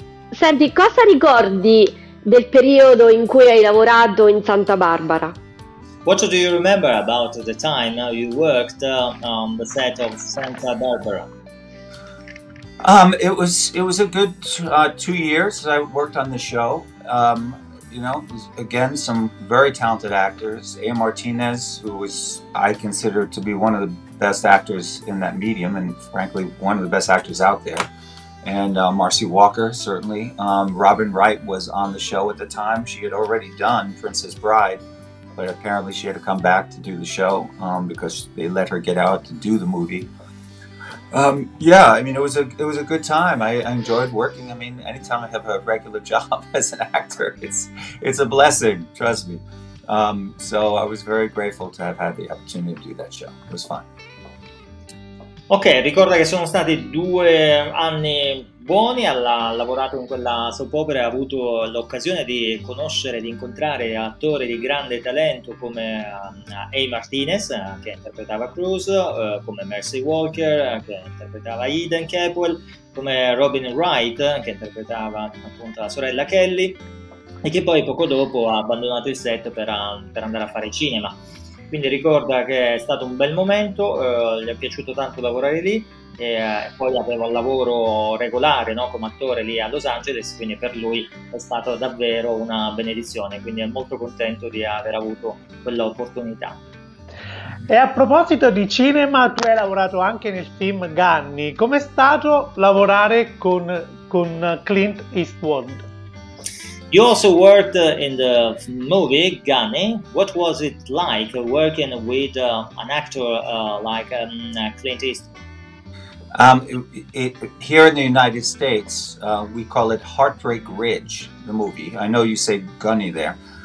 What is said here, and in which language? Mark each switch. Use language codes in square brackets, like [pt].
[it] Senti, cosa ricordi del periodo in cui hai lavorato in Santa Barbara? [en] What do you remember about the time you worked on the set of Santa Barbara? It was a good 2 years that I worked on the show. You know, again, some very talented actors. A. Martinez, who was, I consider to be one of the best actors in that medium, and frankly, one of the best actors out there. And Marcy Walker, certainly. Robin Wright was on the show at the time. She had already done Princess Bride, but apparently she had to come back to do the show because they let her get out to do the movie. Yeah, I mean, it was a good time. I enjoyed working. I mean, anytime I have a regular job as an actor, it's a blessing, trust me. So I was very grateful to have had the opportunity to do that show. It was fun. [it] Ok, ricorda che sono stati 2 anni buoni, ha lavorato in quella soap opera, ha avuto l'occasione di conoscere, di incontrare attori di grande talento come A. Martinez, che interpretava Cruz, come Mercy Walker, che interpretava Eden Capwell, come Robin Wright, che interpretava appunto la sorella Kelly, e che poi poco dopo ha abbandonato il set per andare a fare cinema. Quindi ricorda che è stato un bel momento, gli è piaciuto tanto lavorare lì, e poi aveva un lavoro regolare, no, come attore lì a Los Angeles, quindi per lui è stata davvero una benedizione, quindi è molto contento di aver avuto quell'opportunità. E a proposito di cinema, tu hai lavorato anche nel film Ganni, com'è stato lavorare con Clint Eastwood? [en] You also worked in the movie Ganni. What was it like working with an actor like Clint Eastwood? Here in the United States, we call it Heartbreak Ridge, the movie. I know you say Gunny there.